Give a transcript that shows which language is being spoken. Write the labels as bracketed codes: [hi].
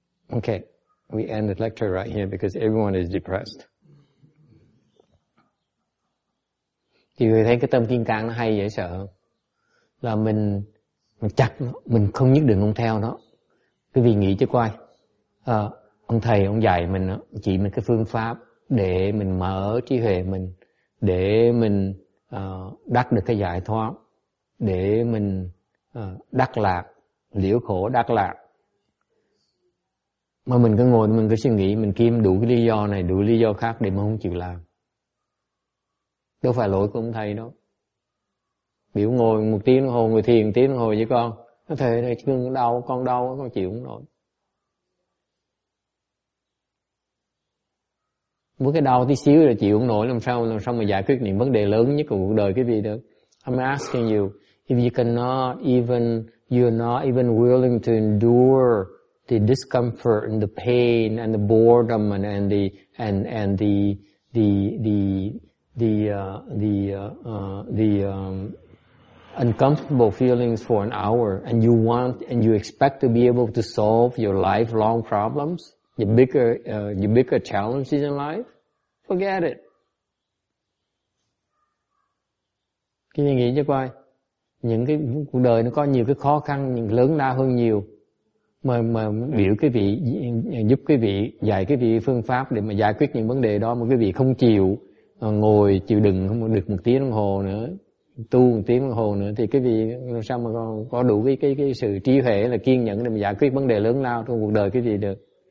[en] Okay, we end the lecture right here because everyone is depressed. [vi] Thì người thấy cái tâm kim cang nó hay dễ sợ không? Là mình chặt nó, mình không nhất định không theo nó. Quý vị nghĩ chứ coi, ông thầy, ông dạy mình, chỉ mình cái phương pháp để mình mở trí huệ mình, để mình đắc được cái giải thoát, để mình đắc lạc, liễu khổ đắc lạc. Mà mình cứ ngồi, mình cứ suy nghĩ, mình kiếm đủ cái lý do này, đủ lý do khác để mà không chịu làm. Đâu phải lỗi của ông thầy đâu. Biểu ngồi một tiếng đồng hồ, ngồi thiền một tiếng đồng hồ với con. Thầy chân đau, con chịu không nổi. Mỗi cái đau tí xíu là chịu không nổi, làm sao mà giải quyết những vấn đề lớn nhất của cuộc đời cái gì được. [en] I'm asking you, if you cannot even you're not even willing to endure the discomfort and the pain and the boredom and the uncomfortable feelings for an hour, and you want and you expect to be able to solve your lifelong problems, your bigger challenges in life. Forget it. [vi] Cái gì nghĩ cho coi, những cái cuộc đời nó có nhiều cái khó khăn lớn lao hơn nhiều, mà biểu cái vị giúp cái vị dạy cái vị phương pháp để mà giải quyết những vấn đề đó, mà cái vị không chịu ngồi chịu đựng không được một tiếng đồng hồ nữa, tu một tiếng đồng hồ nữa, thì cái vị làm sao mà có đủ cái sự trí huệ là kiên nhẫn để mà giải quyết vấn đề lớn lao trong cuộc đời cái vị được.